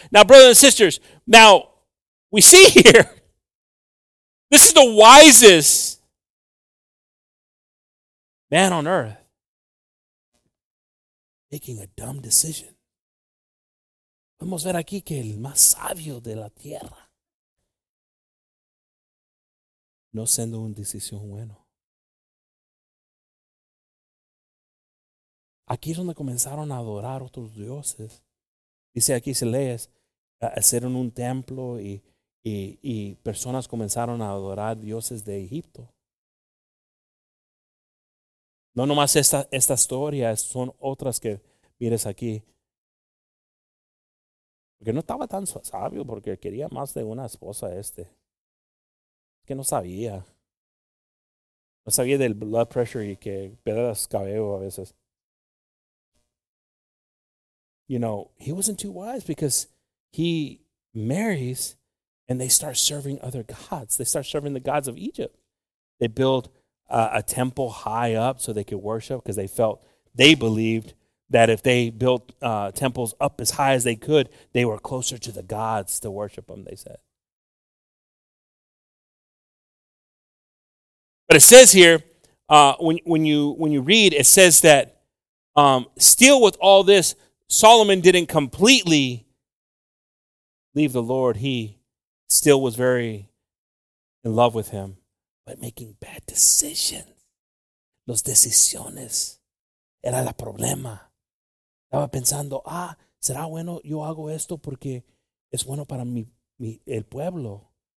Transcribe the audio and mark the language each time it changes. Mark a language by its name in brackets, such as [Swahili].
[English] Now, brothers and sisters, now we see here, this is the wisest man on earth making a dumb decision. [Spanish] Vamos a ver aquí que el más sabio de la tierra no siendo una decisión buena. Aquí es donde comenzaron a adorar otros dioses. Dice aquí, si lees, hicieron un templo y personas comenzaron a adorar dioses de Egipto. No nomás esta historia, son otras que mires aquí. Porque no estaba tan sabio, porque quería más de una esposa este. Que no sabía. No sabía del [English] blood pressure [Spanish] y que pedras cabello a veces. [English] You know, he wasn't too wise because he marries and they start serving other gods. They start serving the gods of Egypt. They build a temple high up so they could worship because they felt, they believed that if they built temples up as high as they could, they were closer to the gods to worship them, they said. But it says here, when you read, it says that still with all this, Solomon didn't completely leave the Lord. He still was very in love with him, but making bad decisions. [Spanish] Los decisiones era el problema. Estaba pensando, ah, será bueno, yo hago esto porque es bueno para mi el pueblo.